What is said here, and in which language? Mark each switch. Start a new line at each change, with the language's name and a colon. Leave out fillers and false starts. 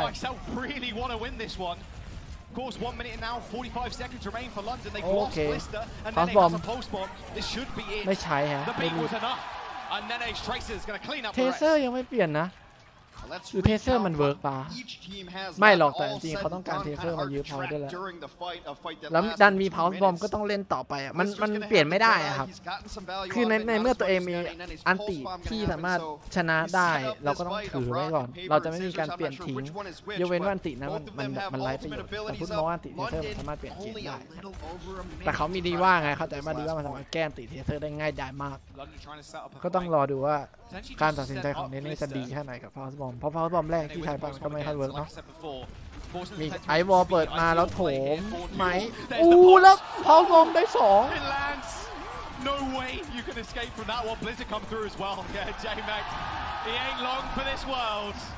English: NYXL really want to win this one of course 1 minute and now 45 seconds remain for London they've lost Glister and then they've got a post bomb this should be it
Thai: ไม่ใช่ฮะ
English: the beat was enough and then a Tracer is going to clean up the rest
Thai: Taserยังไม่เปลี่ยนนะหรือ Taserมันเวิร์กปะไม่หรอกแต่จริงเขาต้องการ Taser มายื้อพาวด้วยแล้วดันมีพาวบอมก็ต้องเล่นต่อไปอ่ะมันเปลี่ยนไม่ได้อ่ะครับคือในเมื่อตัวเองมีอันติที่สามารถชนะได้เราก็ต้องถือไว้ก่อนเราจะไม่มีการเปลี่ยนทิ้งยกเว้นว่าอันตินะมันไลฟ์ไปอยู่แต่พูดมองอันติ Taser สามารถเปลี่ยนทิ้งได้ แต่เขามีดีว่าไงเขาแต่มาดีว่ามันสามารถแก้อันติ Taser ได้ง่ายดายมากก็ต้องรอดูว่าการตัดสินใจของเนนี่จะดีแค่ไหนกับพาวส์บอมเพราะพาวส์บอมแรกที่ใช้ไปก็ไม่ค่อยเวิร์กเนาะมีไอวอลเปิดมาแล้วโถมไหมอู้แล้วพาวส์บอมได้สอง
English: No way you can escape from that one Blizzard come through as well Yeah J-Mac he ain't long for this world